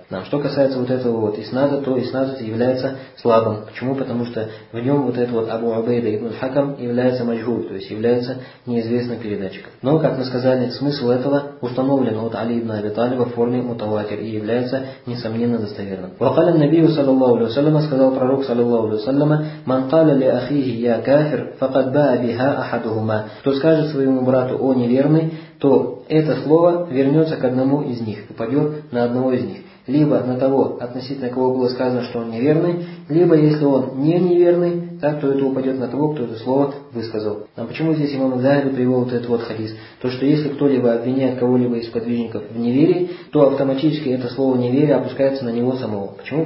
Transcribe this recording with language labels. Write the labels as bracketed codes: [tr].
[ru] Нам, что касается вот этого вот иснада, то иснад является слабым. Почему? Потому что в нем вот этот вот Абу Убейда ибн Хакам является маджхуль, то есть является неизвестным передатчиком. Но, как мы сказали, смысл этого установлен от Али ибн Аби Талиба в форме мутаватир и является несомненно достоверным. [ar] وَقَالَ النَّبِيُّ صَلَى اللَّهُ عَلَيْهِ وَسَلَّمَ [ru] сказал пророк [ar] صَلَى اللَّهُ عَلَيْهِ وَسَلَّمَ مَنْ قَالَ لِأَخِيهِ يَا كَافِرْ فَقَدْ بَاءَ بِهَا أَحَدُهُمَا. [ru] Кто скажет своему брату «О неверный», то это слово вернется к одному из них, упадет на одного из них. Либо на того, относительно кого было сказано, что он неверный, либо если он не неверный, так то это упадет на того, кто это слово высказал. А почему здесь имам Аз-Захаби привел вот этот вот хадис? То, что если кто-либо обвиняет кого-либо из сподвижников в неверии, то автоматически это слово неверие опускается на него самого. Почему?